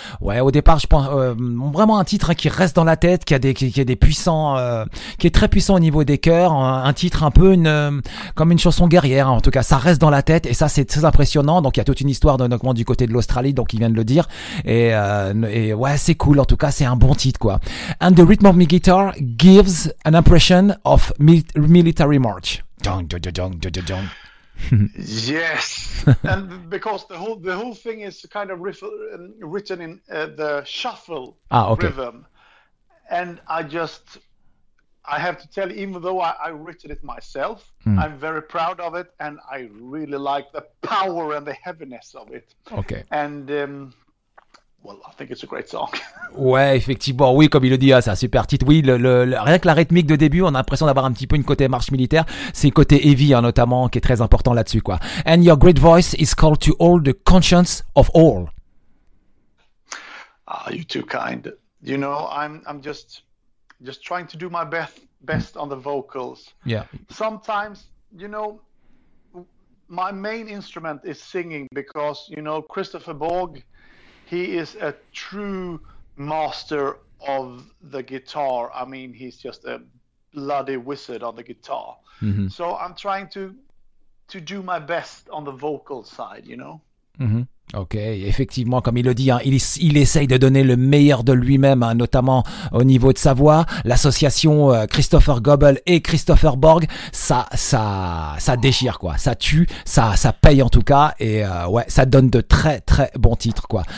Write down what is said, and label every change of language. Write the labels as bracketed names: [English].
[French] Ouais, au départ, je pense vraiment un titre qui reste dans la tête, qui est très puissant au niveau des chœurs, un titre un peu comme une chanson guerrière, hein, en tout cas, ça reste dans la tête et ça c'est très impressionnant. Donc il y a toute une histoire d'un augment du côté de l'Australie, donc il vient de le dire et ouais, c'est cool, en tout cas, c'est un bon titre, quoi. [English] And the rhythm of my guitar gives an impression of military march. Dun, dun, dun, dun, dun, dun. Yes, and because the whole thing is kind of written in the shuffle rhythm, and I have to tell you, even though I written it myself, I'm very proud of it, and I really like the power and the heaviness of it. Okay, and well, I think it's a great song. [French] Ouais, effectivement, oui, comme il le dit, c'est un super titre. Oui, rien que la rythmique de début, on a l'impression d'avoir un petit peu une côté marche militaire. C'est le côté heavy, hein, notamment, qui est très important là-dessus, quoi. [English] And your great voice is called to hold the conscience of all. Ah, you're too kind. You know, I'm just trying to do my best on the vocals. Yeah. Sometimes, you know, my main instrument is singing because, you know, Christopher Borg, he is a true master of the guitar. I mean, he's just a bloody wizard on the guitar. Mm-hmm. So I'm trying to do my best on the vocal side, you know? Mm-hmm. [French] Ok, effectivement, comme il le dit, hein, il essaye de donner le meilleur de lui-même, hein, notamment au niveau de sa voix. L'association Christopher Goebbels et Christopher Borg, ça déchire, quoi. Ça tue, ça paye en tout cas, et ouais, ça donne de très très bons titres, quoi.